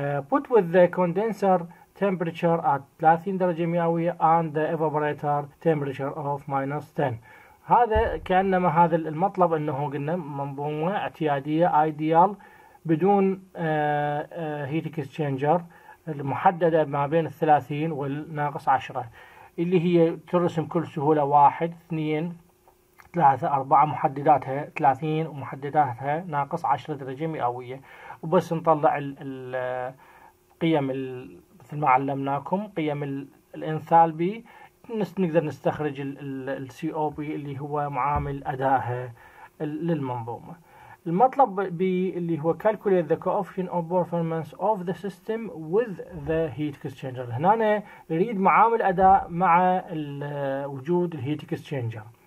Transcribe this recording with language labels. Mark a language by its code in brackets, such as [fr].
[en] Put with the condenser temperature at 30 [ar] درجه مئويه [en] and the evaporator temperature of minus 10. [ar] هذا كانما هذا المطلب انه قلنا منظومه اعتياديه ideal بدون هيت اكسشينجر المحددة ما بين 30 والناقص 10 اللي هي ترسم كل سهولة 1 2 3 4 محدداتها 30 ومحدداتها ناقص 10 درجة مئوية وبس نطلع القيم مثل ما علمناكم قيم الانثالبي نقدر نستخرج السي او بي اللي هو معامل أداها للمنظومة. المطلب ب اللي هو [en] calculate the coefficient of performance of the system with the heat exchanger. [ar] هنا نريد معامل أداء مع وجود ال heat exchanger.